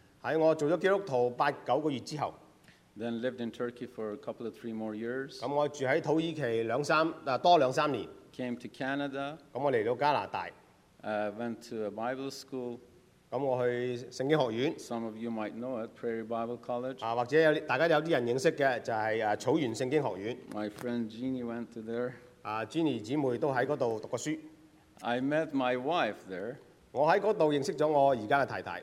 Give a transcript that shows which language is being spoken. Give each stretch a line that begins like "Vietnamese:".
Cantonese: 喺我做咗基督徒8-9个月之後
English: ，Then lived in Turkey for a couple of 3 more years.
Cantonese: 咁我住喺土耳其多兩三年。
English: Came to Canada.
Cantonese: 咁我嚟到加拿大。
English: Went to a Bible school.
Cantonese: 咁我去聖經學院。
English: Some of you might know it, Prairie Bible College.
Cantonese: 或者大家有啲人認識嘅就係草原聖經學院。
English: My friend Jeannie went to there.
Cantonese: Jeannie 姊妹都喺嗰度讀過書。
English: I met my wife there.
Cantonese: 我喺嗰度認識咗我而家嘅太太。